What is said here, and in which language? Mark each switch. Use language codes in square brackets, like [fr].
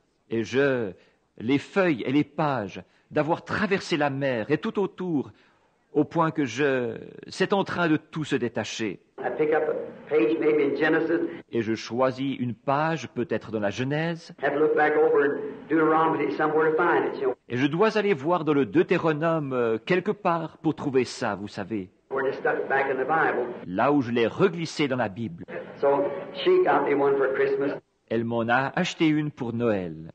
[fr] Et je, les feuilles et les pages, d'avoir traversé la mer et tout autour, au point que c'est en train de tout se détacher. [en] I pick up a page maybe in Genesis. [fr] Et je choisis une page, peut-être dans la Genèse. [en] Have to look back over in Deuteronomy somewhere to find it, you know. [fr] Et je dois aller voir dans le Deutéronome quelque part pour trouver ça, vous savez. [en] Where they stuck back in the Bible. [fr] Là où je l'ai reglissé dans la Bible. [en] So she got me one for Christmas. [fr] Elle m'en a acheté une pour Noël.